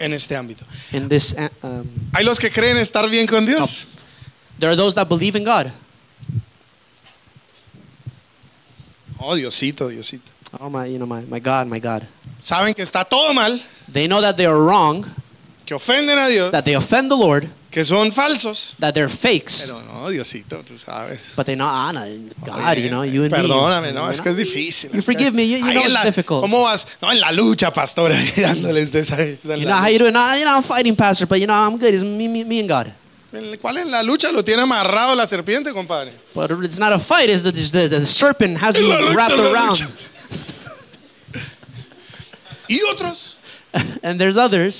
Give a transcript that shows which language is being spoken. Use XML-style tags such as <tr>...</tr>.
<es>En este ámbito.</es> <en>In this,</en> <es>hay los que creen estar bien con Dios. Top.</es> <en>There are those that believe in God.</en> <es>Oh, Diosito, Diosito.</es> <en>Oh my, you know, my God, my God.</en> <es>Saben que está todo mal.</es> <en>They know that they are wrong.</en> <es>Que ofenden a Dios.</es> <en>That they offend the Lord.</en> <es>Que son falsos.</es> <en>That they're fakes.</en> <es>Pero no, Diosito, tú sabes.</es> <en>But they know, ah, no, God, oh, you know, you and</en> <es>perdóname,</es> <en>me.</en> <es>Perdóname, no, es que es difícil.</es> <en>You forgive me, you know it's difficult.</en> <es>¿Cómo vas? No, en la lucha, pastor, dándoles de esa.</es> <en>You know how you doing? No, you know, I'm fighting, pastor, but you know, I'm good. It's me and God.</en> <es>¿Cuál es la lucha? Lo tiene amarrado la serpiente, compadre.</es> <en>But it's not a fight, it's the serpent has you wrapped around.</en> <es>Lucha. Y otros.</es> <en>And there's others.</en>